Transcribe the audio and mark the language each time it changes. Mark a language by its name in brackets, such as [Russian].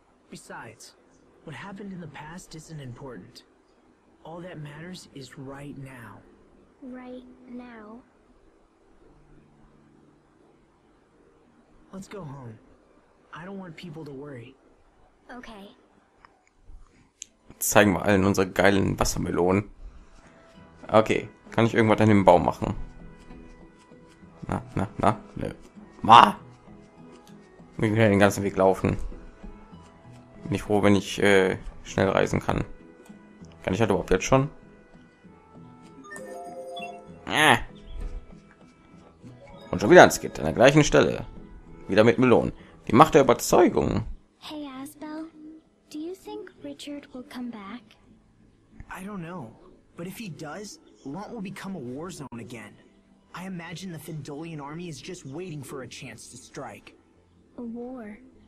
[English] Besides, what happened in the past isn't important. All that matters is right now. Right now? Let's go home. I don't want people to worry. Okay. [German] Zeigen wir allen unsere geilen Wassermelonen. Okay, kann ich irgendwas an dem Baum machen? Na, nö. Ma! Wir können den ganzen Weg laufen. Bin ich froh, wenn ich schnell reisen kann. Kann ich halt überhaupt jetzt schon? Und schon wieder ein Skit an der gleichen Stelle. Wieder mit Melon. Die Macht der Überzeugung. [English] Hey Asbel, do you think Richard will come back? I don't know, but if he does, Lont will become a war zone again. I imagine the Fendolian army is just waiting for a chance to strike. A war.